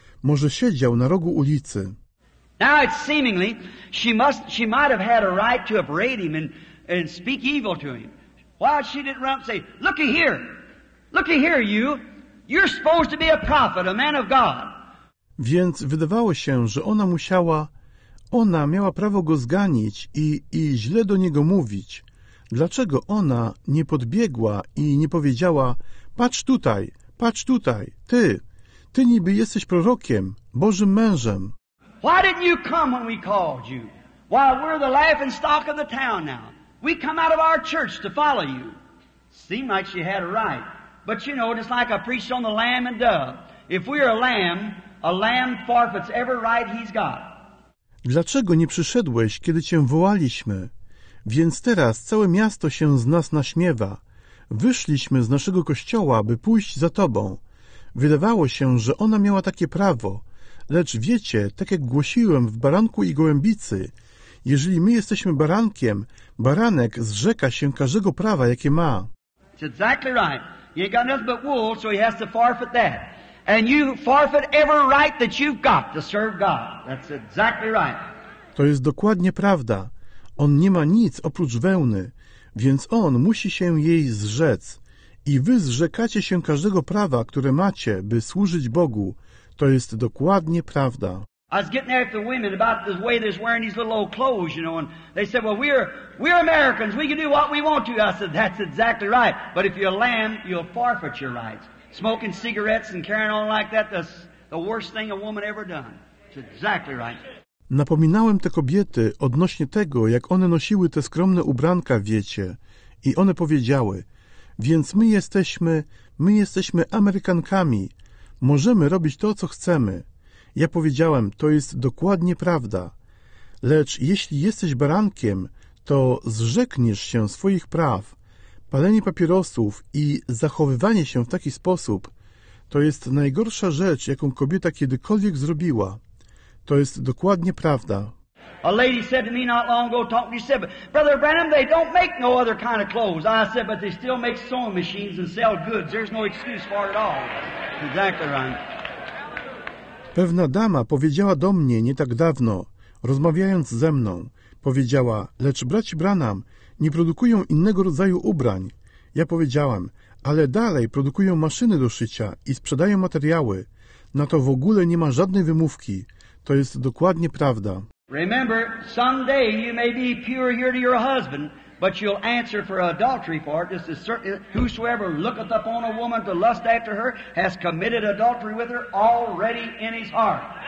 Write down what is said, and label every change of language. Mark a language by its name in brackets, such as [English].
[Polish] Może siedział na rogu ulicy. [English] Now it's seemingly, she might have had a right to upbraid him and speak evil to him. Why she didn't run up and say, Looky here, you. You're supposed to be a prophet, a man of God. [Polish] Więc wydawało się, że ona miała prawo go zganić i źle do niego mówić. Dlaczego ona nie podbiegła i nie powiedziała, patrz tutaj, ty niby jesteś prorokiem, Bożym mężem. [English] Why didn't you come when we called you? Why, we're the laughing stock of the town now. We come out of our church to follow you. Seemed like she had a right. But you know, just like I preached on the lamb and dove. If we are a lamb forfeits every right he's got. [Polish] Dlaczego nie przyszedłeś, kiedy cię wołaliśmy? Więc teraz całe miasto się z nas naśmiewa. Wyszliśmy z naszego kościoła, by pójść za tobą. Wydawało się, że ona miała takie prawo. Lecz wiecie, tak jak głosiłem w Baranku i Gołębicy, jeżeli my jesteśmy barankiem, baranek zrzeka się każdego prawa, jakie ma. [English] It's exactly right. He ain't got nothing but wool, so he has to forfeit that. And you forfeit every right that you've got to serve God. That's exactly right. [Polish] To jest dokładnie prawda. On nie ma nic oprócz wełny, więc on musi się jej zrzec. I wy zrzekacie się każdego prawa, które macie, by służyć Bogu. To jest dokładnie prawda. [English] I was getting after the women about the way they're wearing these little old clothes, you know, and they said, well, we're Americans, we can do what we want to. I said, that's exactly right. But if you're a lamb, you'll forfeit your rights. Smoking cigarettes and carrying on like that, that's the worst thing a woman ever done. It's exactly right. [Polish] Napominałem te kobiety odnośnie tego, jak one nosiły te skromne ubranka, wiecie, i one powiedziały: więc my jesteśmy Amerykankami, możemy robić to, co chcemy. Ja powiedziałem: to jest dokładnie prawda. Lecz jeśli jesteś barankiem, to zrzekniesz się swoich praw. Palenie papierosów i zachowywanie się w taki sposób to jest najgorsza rzecz, jaką kobieta kiedykolwiek zrobiła. To jest dokładnie prawda. [English] A lady said to me not long ago, talking to me, said, Brother Branham, they don't make no other kind of clothes. I said, but they still make sewing machines and sell goods. There's no excuse for it all. Exactly right. [Polish] Pewna dama powiedziała do mnie nie tak dawno, rozmawiając ze mną, powiedziała: lecz braci Branham nie produkują innego rodzaju ubrań. Ja powiedziałem: ale dalej produkują maszyny do szycia i sprzedają materiały. Na to w ogóle nie ma żadnej wymówki. To jest dokładnie prawda. [English] Remember, someday you may be pure here to your husband, but you'll answer for adultery for it. This is certain: whosoever looketh upon a woman to lust after her has committed adultery with her already in his heart.